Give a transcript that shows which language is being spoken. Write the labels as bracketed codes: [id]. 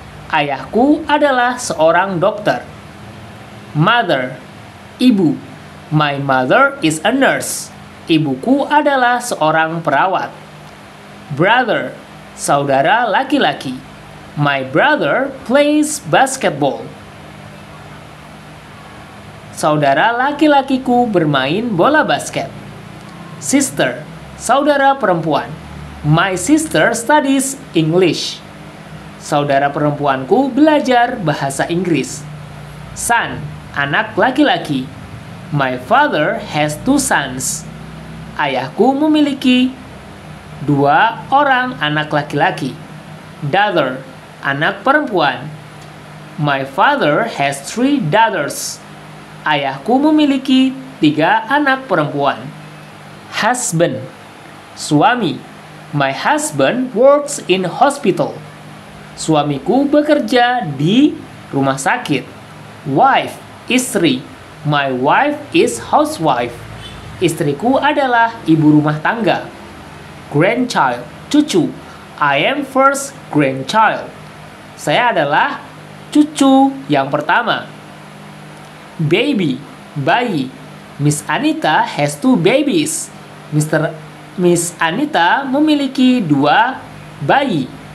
[id] Ayahku adalah seorang dokter. Mother, ibu. [en] My mother is a nurse. [id] Ibuku adalah seorang perawat. Brother, saudara laki-laki. [en] My brother plays basketball. [id] Saudara laki-lakiku bermain bola basket. Sister, saudara perempuan. [en] My sister studies English. [id] Saudara perempuanku belajar bahasa Inggris. [en] Son, [id] anak laki-laki. [en] My father has two sons. [id] Ayahku memiliki dua orang anak laki-laki. Daughter, anak perempuan. [en] My father has three daughters. [id] Ayahku memiliki tiga anak perempuan. [en] Husband, suami. My husband works in hospital. [id] Suamiku bekerja di rumah sakit. [en] Wife, istri. My wife is housewife. [id] Istriku adalah ibu rumah tangga. Grandchild, cucu. [en] I am first grandchild. [id] Saya adalah cucu yang pertama. [en] Baby, bayi. Miss Anita has two babies. [id] Miss Anita memiliki dua bayi.